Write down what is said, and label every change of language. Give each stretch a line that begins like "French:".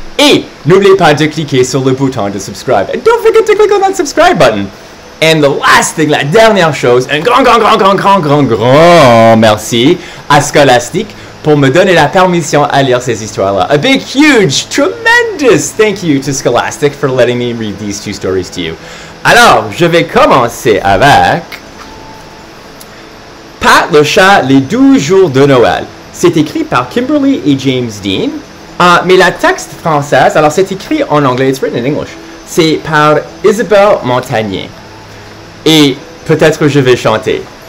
French: Et, n'oubliez pas de cliquer sur le bouton de subscribe.
English: And don't forget to click on that subscribe button. And the last thing,
French: la dernière chose, un grand, grand, grand, grand, grand, grand, grand merci à Scholastic pour me donner la permission à lire ces histoires-là.
English: A big, huge, tremendous thank you to Scholastic for letting me read these two stories to you.
French: Alors, je vais commencer avec Pat le chat, les 12 jours de Noël. C'est écrit par Kimberly et James Dean. Mais la texte française, alors c'est écrit en anglais,
English: it's written in English.
French: C'est par Isabelle Montagnier. Et peut-être que je vais chanter.